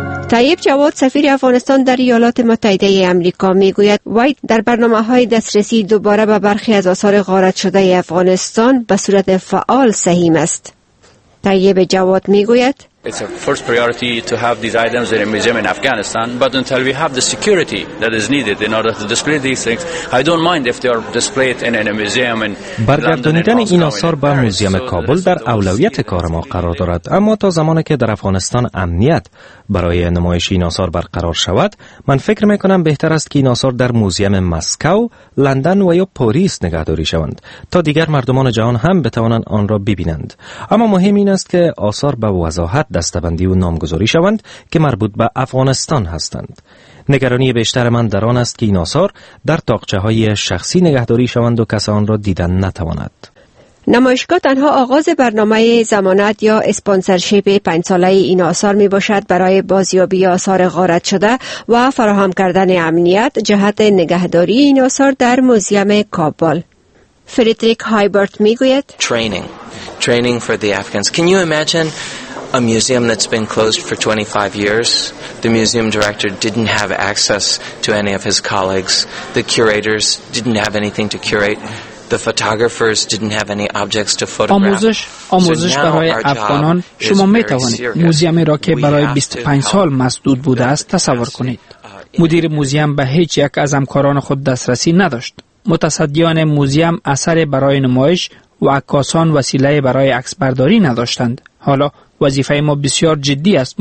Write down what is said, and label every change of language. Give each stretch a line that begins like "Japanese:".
Persian: طیب جواد سفیر افغانستان در ایالات متحده آمریکا میگوید وای در برنامه‌های دسترسی دوباره به برخی از آثار غارت شده افغانستان به صورت فعال سهیم است. طیب جواد میگوید
English: It's a first priority to have these items in a museum in Afghanistan, but until we have the security that is needed in order to display these things, I don't mind if they are displayed in a museum in London.
Persian: برگردانیدن این آثار به موزیم کابل در اولویت کار ما قرار دارد، اما تا زمانی که در افغانستان امنیت برای نمایش این آثار برقرار شود، من فکر میکنم بهتر است که این آثار در موزیم مسکو، لندن و یا پاریس نگهداری شوند تا دیگر مردمان جهان هم بتوانند آن را ببینند. اما مهم این است که آثار به وضاحت دستبندی و نامگذاری شوند که مربوط به افغانستان هستند. نگرانی بیشتر من در آن است که این آثار در تاقچه‌های شخصی نگهداری شوند و کسی آن را دیدن نتواند. نمایشگاه تنها آغاز برنامه ضمانت یا اسپانسرشیپ 5 ساله این آثار می باشد برای بازیابی آثار غارت شده و فراهم کردن امنیت جهت نگهداری این آثار در موزیم کابل. فردریک هایبرت می گوید
English: Training for the Afghans. Can you imagine a museum that's been closed for 25 years the museum director didn't have access to any of his colleagues the curators didn't have anything to curate the photographers didn't have any objects to photograph
Persian: آموزش برای افغانان شما می توانید موزیمی را که برای 25 سال مسدود بوده است تصور کنید مدیر موزیم به هیچ یک از همکاران خود دسترسی نداشت متصدیان موزیم اثر برای نمایش و عکاسان وسیله برای عکسبرداری نداشتند. حالا وظیفه ما بسیار جدی است.